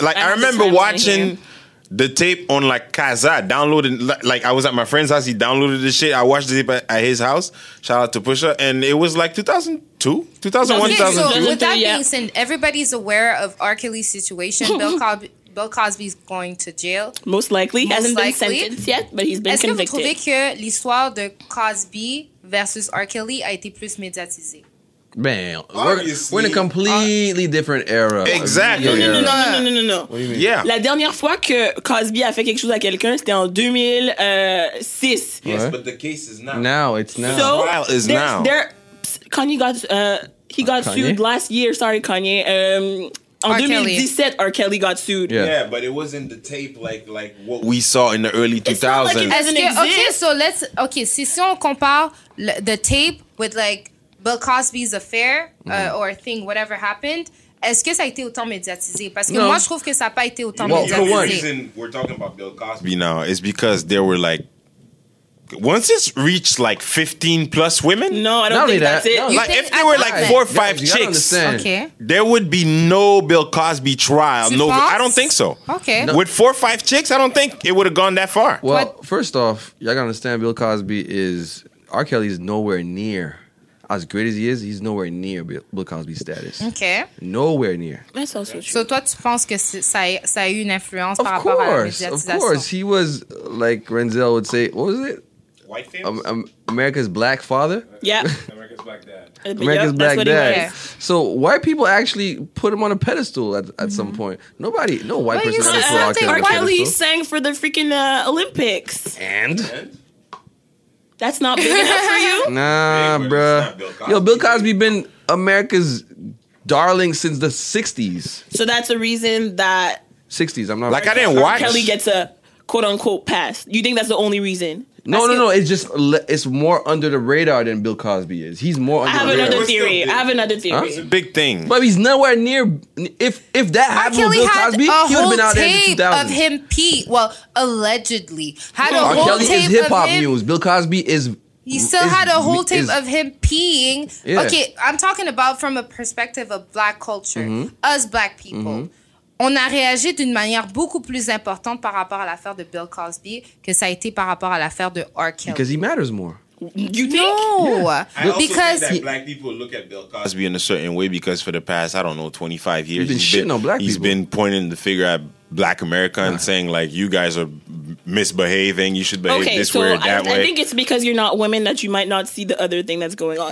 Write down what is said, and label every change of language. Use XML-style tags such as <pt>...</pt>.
<en>Like, I remember watching the tape on, like, Kaza, downloading, like, I was at my friend's house, he downloaded the shit, I watched the tape at his house, shout out to Pusha, and it was, like, 2002? Okay, so with that being said, everybody's aware of R. Kelly's situation, Bill Cosby's going to jail. Most likely. He hasn't been sentenced yet, but he's been convicted.</en> <fr>Est-ce que vous trouvez que l'histoire de Cosby versus R. Kelly a été plus médiatisée?</fr> <en>Man, we're in a completely different era. Exactly. No. What do you mean? Yeah.</en> <fr>La dernière fois que Cosby a fait quelque chose à quelqu'un, c'était en 2006.</fr> <en>Yes, right. But the case is now. Now it's now. So, the trial is now. Kanye got sued last year. Sorry, Kanye. In 2017, R. Kelly got sued. Yeah. But it wasn't the tape like what we saw in the early 2000s. Like</en> <fr>si on compare</fr> <en>the tape with like. Bill Cosby's affair or thing, whatever happened,</en> <fr>est-ce que ça a été autant médiatisé? Parce que moi, je trouve que ça n'a pas été autant médiatisé.</fr> <en>The reason we're talking about Bill Cosby now is because there were like, once it's reached like 15 plus women? No, I don't think that's it. Like if there were like 4 or 5 chicks, there would be no Bill Cosby trial. No, I don't think so. Okay. No. With 4 or 5 chicks, I don't think it would have gone that far. Well, first off, y'all got to understand Bill Cosby is, R. Kelly is nowhere near as great as he is, he's nowhere near Bill Cosby's status. Okay. Nowhere near. That's also true. So,</en> <fr>toi, tu penses que ça a eu une influence</fr> <en>of</en> <fr>par</fr> <en>course,</en> <fr>rapport à la médiatisation?</fr> <en>Of course. He was, like Renzel would say, what was it? White famous? America's black father? Yeah. America's black that's dad. What he means. So white people actually put him on a pedestal at some point. R. Kelly sang for the freaking Olympics. And? That's not big enough for you? Nah, hey, bruh. Bill Cosby been America's darling since the 60s. So that's the reason that... 60s, I'm not... Like, I didn't watch... Kelly gets a quote-unquote pass. You think that's the only reason? No. It's more under the radar than Bill Cosby is. He's more under the radar. I have another theory. Huh? It's a big thing. But he's nowhere near. If that happened with Bill Cosby, he would have been out there in the 2000s. Of him, Pete. Well, allegedly. Had a whole tape of him. R. Kelly is hip hop news. Bill Cosby is. He still had a whole tape of him peeing. Yeah. Okay, I'm talking about from a perspective of black culture, mm-hmm. us black people. Mm-hmm.</en> <fr>On a réagi d'une manière beaucoup plus importante par rapport à l'affaire de Bill Cosby que ça a été par rapport à l'affaire de R. Kelly.</fr> <en>Because he matters more. You think? No. Yeah. I also think that black people look at Bill Cosby in a certain way because for the past, 25 years, he's been pointing the finger at black America and saying, like, you guys are misbehaving, you should behave this way or that way. I think it's because you're not women that you might not see the other thing that's going on.</en>